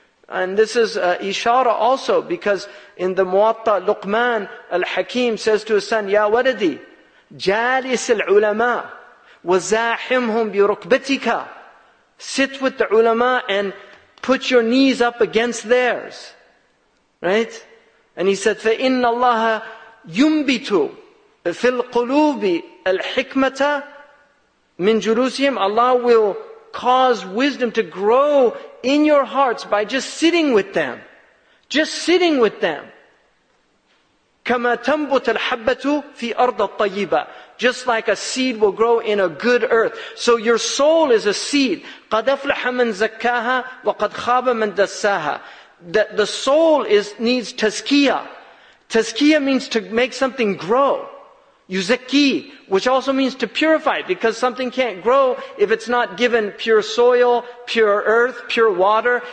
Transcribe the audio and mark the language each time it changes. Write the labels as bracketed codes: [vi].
[en] And this is Ishara also, because in the Muwatta, Luqman al-Hakim says to his son, [ar] يَا وَلَدِي جَالِسِ الْعُلَمَاء وَزَاحِمْهُمْ بِرُكْبَتِكَ. [en] Sit with the ulama and put your knees up against theirs. Right? And he said, [ar] فَإِنَّ اللَّهَ يُنْبِتُ فِي الْقُلُوبِ الْحِكْمَةَ مِنْ جُلُوسِهِمْ. [en] Allah will cause wisdom to grow in your hearts by just sitting with them. Just sitting with them. [ar] كَمَا تَنْبُتَ الْحَبَّةُ فِي أَرْضَ الطَّيِّبَةِ. [en] Just like a seed will grow in a good earth. So your soul is a seed. [ar] قَدْ أَفْلَحَ مَنْ زَكَّاهَا وَقَدْ خَابَ مَنْ دَسَّاهَا. [en] That the soul needs tazkiyah. Tazkiyah means to make something grow. Yuzakki, which also means to purify, because something can't grow if it's not given pure soil, pure earth, pure water.